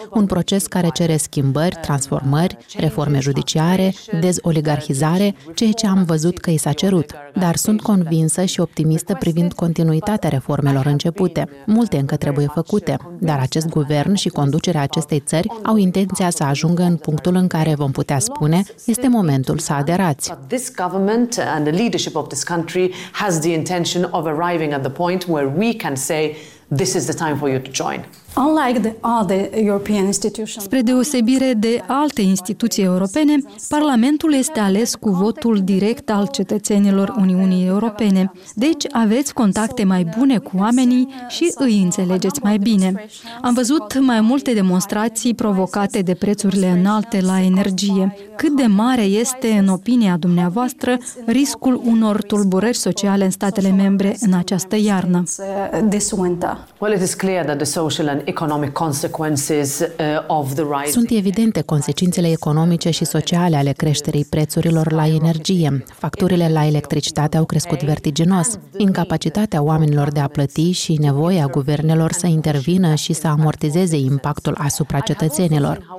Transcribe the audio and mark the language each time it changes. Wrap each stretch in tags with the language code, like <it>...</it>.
<ro>Un proces care cere schimbări, transformări, reforme judiciare, dezoligarhizare, ceea ce am văzut că i s-a cerut. Dar sunt convinsă și optimistă privind continuitatea reformelor începute. Multe încă trebuie făcute, dar acest guvern și conducerea acestei țări au intenția să ajungă în punctul în care vom putea spune este momentul să aderați.</ro> <en>This government and the leadership of this country has the intention of arriving at the point where we can say this is the time for you to join. Unlike the other European institutions.</en> <ro>Spre deosebire de alte instituții europene, Parlamentul este ales cu votul direct al cetățenilor Uniunii Europene. Deci aveți contacte mai bune cu oamenii și îi înțelegeți mai bine. Am văzut mai multe demonstrații provocate de prețurile înalte la energie. Cât de mare este, în opinia dumneavoastră, riscul unor tulburări sociale în statele membre în această iarnă?</ro> <en>Well, it is clear that the social and economic consequences of the rise.</en> <ro>Sunt evidente consecințele economice și sociale ale creșterii prețurilor la energie. Facturile la electricitate au crescut vertiginos. Incapacitatea oamenilor de a plăti și nevoia guvernelor să intervină și să amortizeze impactul asupra cetățenilor.</ro>